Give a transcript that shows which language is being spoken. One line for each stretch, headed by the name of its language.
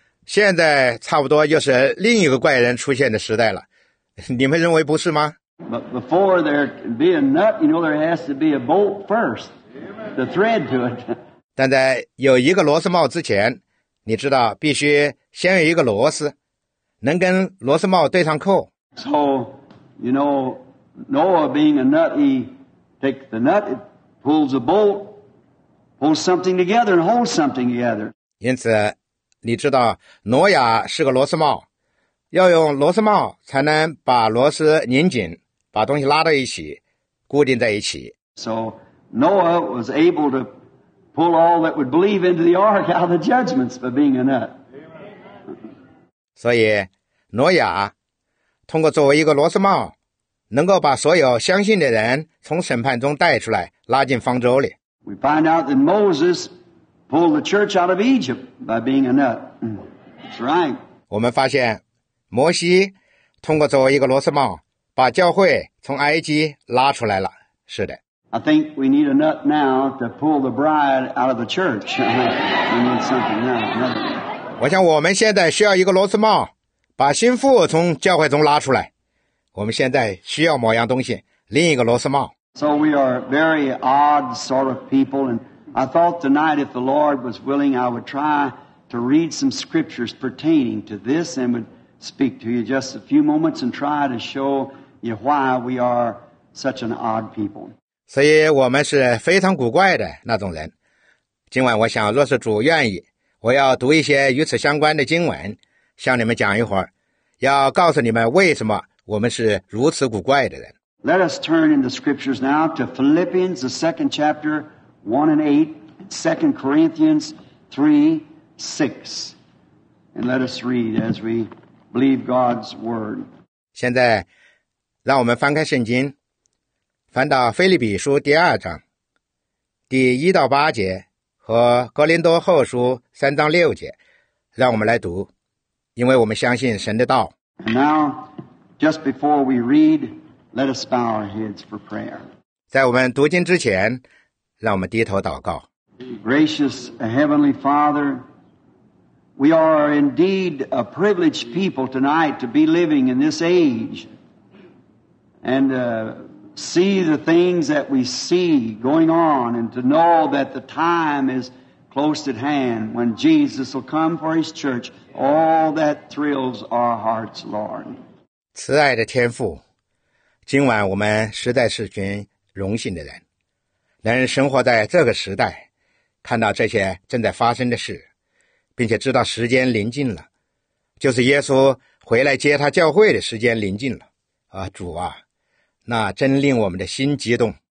Chinese: 现在差不多就是另一个怪人出现的时代了，你们认为不是吗？
English: But before there be a nut, you know, there has to be a bolt first, the thread to it.
Chinese: 但在有一个螺丝帽之前，你知道必须先有一个螺丝，能跟螺丝帽对上扣。
English: So, you know, Noah being a nut, he takes the nut, it pulls a bolt, pulls something together and holds something together.
Chinese: 因此你知道挪亚是个螺丝帽，要用螺丝帽才能把螺丝拧紧，把东西拉到一起，固定在一起。
English: So Noah was able to pull all that would believe into the ark out of the judgments by being a nut.
Chinese: 所以挪亚通过作为一个螺丝帽，能够把所有相信的人从审判中带出来，拉进方舟里。
English: We find out that Moses. Pull the church out of Egypt by being a nut. That's right.
Chinese: 我们发现，摩西通过作为一个螺丝帽，把教会从埃及拉出来了。是的。
English: I think we need a nut now to pull the bride out of the church. We need something now.
Chinese: 我想我们现在需要一个螺丝帽，把心腹从教会中拉出来。我们现在需要某样东西，另一个螺丝帽。
English: So we are very odd sort of people and. I thought tonight, if the Lord was willing, I would try to read some scriptures pertaining to this and would speak to you just a few moments and try to show you why we are such an odd people.
Chinese: 所以我们是非常古怪的那种人。今晚我想，若是主愿意，我要读一些与此相关的经文，向你们讲一会儿，要告诉你们为什么我们是如此古怪的人。
English: Let us turn in the scriptures now to Philippians, the second chapter. 1 and 8, 2 Corinthians 3, 6. And let us read as we believe God's word.
Chinese: 现在让我们翻开圣经，翻到腓立比书第二章第一到八节和哥林多后书三章六节，让我们来读，因为我们相信神的道。
English: And now, just before we read, let us bow our heads for prayer.
Chinese: 在我们读经之前，让我们低头祷告。
English: Gracious Heavenly Father, we are indeed a privileged people tonight to be living in this age and see the things that we see going on and to know that the time is close at hand when Jesus will come for his church. All that thrills our hearts, Lord.
Chinese: 慈爱的天父，今晚我们实在是群荣幸的人，能生活在这个时代，看到这些正在发生的事，并且知道时间临近了，就是耶稣回来接他教会的时间临近了。啊，主啊，那真令我们的心激动。